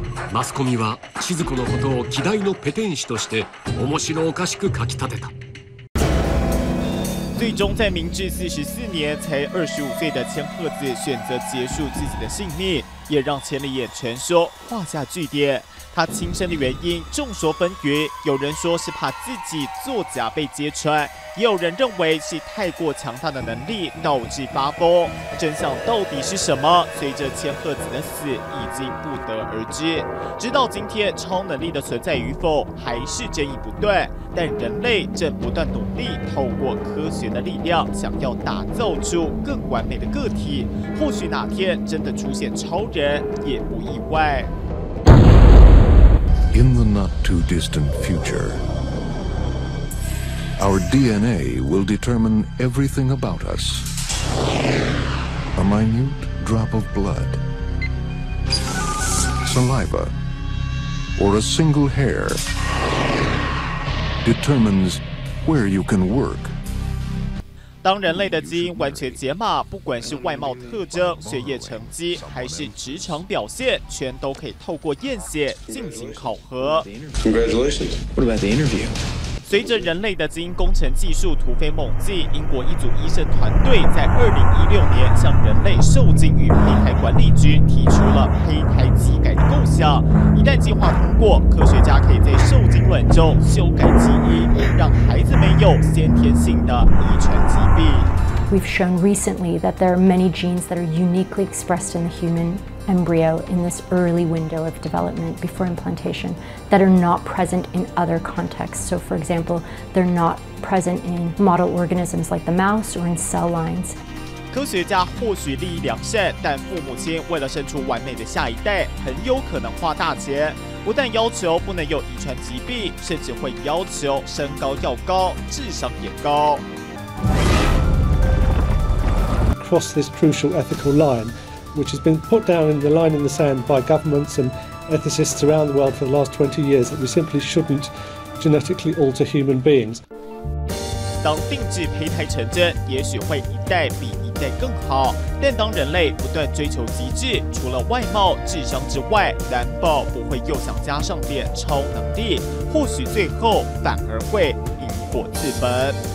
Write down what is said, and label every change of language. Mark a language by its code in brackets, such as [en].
[ja] マスコミは千鶴子のことを希代のペテン師として面白おかしく書き立てた。 [zh] 最终在明治44年才25岁的千鹤子选择结束自己的性命，也让千里眼全说画下句点。他轻生的原因众说纷纭，有人说是怕自己作假被揭穿，也有人认为是太过强大的能力导致发疯。真相到底是什么？随着千鹤子的死已经不得而知。直到今天，超能力的存在与否还是争议不断，但人类正不断努力透过科学的力量想要打造出更完美的个体，或许哪天真的出现超人也不意外。 [en] In the not too distant future, our DNA will determine everything about us. A minute drop of blood, saliva, or a single hair determines where you can work. [zh] 当人类的基因完全解码，不管是外貌特征、学业成绩，还是职场表现，全都可以透过验血进行考核。 [en] Congratulations. What about the interview? [zh] 随着人类的基因工程技术突飞猛进，英国一组医生团队在2016年向人类受精与胚胎管理局提出了胚胎基改的构想。一旦计划通过，科学家可以在受精卵中修改基因，让孩子没有先天性的遗传疾病。 [en] We've shown recently that there are many genes that are uniquely expressed in the human embryo in this early window of development before implantation that are not present in other contexts. So, for example, they're not present in model organisms like the mouse or in cell lines. [zh] 科学家或许利益良善，但父母亲为了生出完美的下一代，很有可能花大钱。不但要求不能有遗传疾病，甚至会要求身高要高，智商也高。 [en] Cross this crucial ethical line, which has been put down in the line in the sand by governments and ethicists around the world for the last 20 years, that we simply shouldn't genetically alter human beings. [zh] 当定制胚胎成真，也许会一代比一代更好。但当人类不断追求极致，除了外貌、智商之外，难保不会又想加上点超能力，或许最后反而会引火自焚。